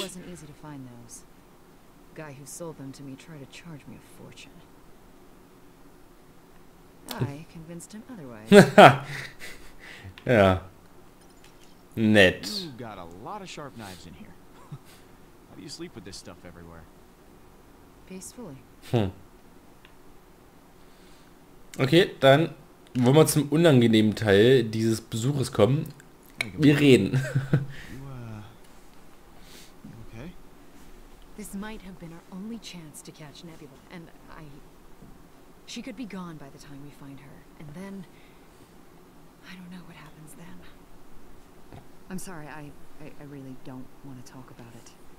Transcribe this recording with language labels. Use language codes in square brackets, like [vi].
[en] It wasn't easy to find those. Guy who sold them to me tried to charge me a fortune. I convinced him otherwise. [de] Ja. Nett. [en] You got a lot of sharp knives in here. How do you sleep with this stuff everywhere? Peacefully. Hm. [de] Okay, dann wollen wir zum unangenehmen Teil dieses Besuches kommen. Wir reden. [en] This might have been our only chance to catch Nebula, and I... She could be gone by the time we find her, and then... I don't know what happens then. I'm sorry, I really don't want to talk about it.